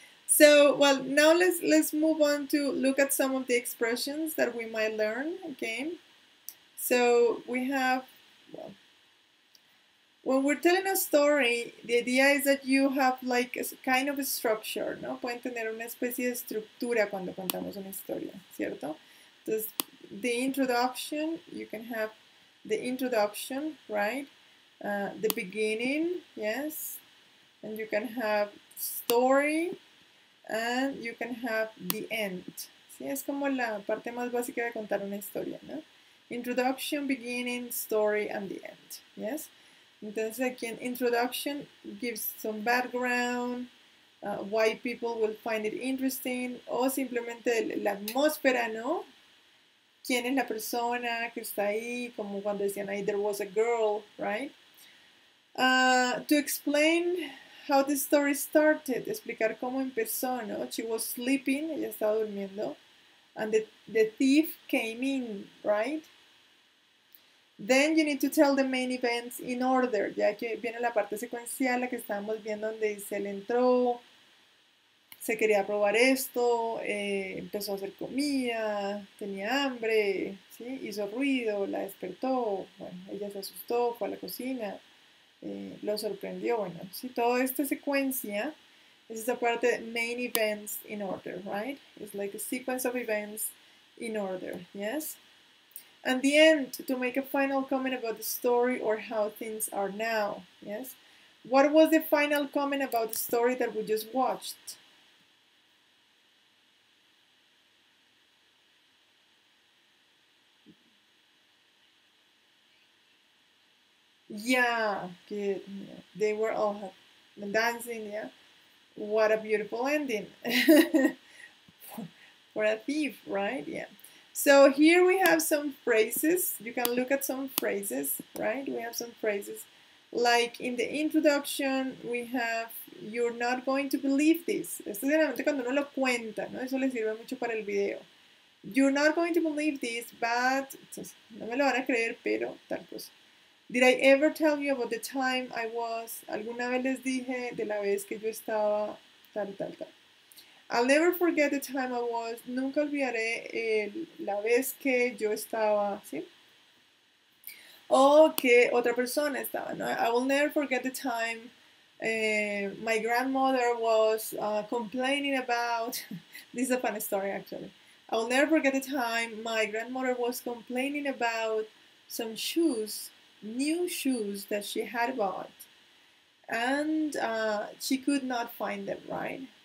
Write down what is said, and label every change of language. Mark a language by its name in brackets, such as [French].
[English] So, well, now let's move on to look at some of the expressions that we might learn, okay? So, we have, well, when we're telling a story, the idea is that you have like a kind of a structure, ¿no? [Spanish] Pueden tener una especie de estructura cuando contamos una historia, ¿cierto? [English] Entonces, the introduction, you can have the introduction, right? The beginning, yes. And you can have story and you can have the end. [Spanish] Sí, es como la parte más básica de contar una historia, ¿no? [English] Introduction, beginning, story and the end, yes. [Spanish] Entonces aquí en [English] introduction gives some background. Why people will find it interesting [Spanish] o simplemente la atmósfera, ¿no? Quién es la persona que está ahí, como cuando decían ahí, [English] there was a girl, right? To explain how the story started, [Spanish] explicar cómo empezó, ¿no? [English] She was sleeping, [Spanish] ella estaba durmiendo, [English] and the thief came in, right? Then you need to tell the main events in order, [Spanish] ya que viene la parte secuencial, la que estábamos viendo, donde dice él entró, se quería probar esto, empezó a hacer comida, tenía hambre, ¿sí? Hizo ruido, la despertó, bueno, ella se asustó, fue a la cocina, lo sorprendió, bueno, ¿sí? Toda esta secuencia es esa parte de [English] main events in order, right? It's like a sequence of events in order, yes? And the end, to make a final comment about the story or how things are now, yes? What was the final comment about the story that we just watched? Yeah, good. Yeah. They were all dancing, yeah. What a beautiful ending. For a thief, right? Yeah. So here we have some phrases. You can look at some phrases, right? We have some phrases. Like in the introduction, we have, you're not going to believe this. [Spanish] Esto generalmente cuando uno lo cuenta, ¿no? Eso le sirve mucho para el video. [English] You're not going to believe this, but. [Spanish] Entonces, no me lo van a creer, pero tal cosa. [English] Did I ever tell you about the time I was? [Spanish] ¿Alguna vez les dije de la vez que yo estaba tal, tal, tal? [English] I'll never forget the time I was. [Spanish] Nunca olvidaré la vez que yo estaba, ¿sí? O que otra persona estaba, ¿no? [English] I will never forget the time my grandmother was complaining about. This is a funny story, actually. I'll never forget the time my grandmother was complaining about some shoes, new shoes that she had bought, and she could not find them, right?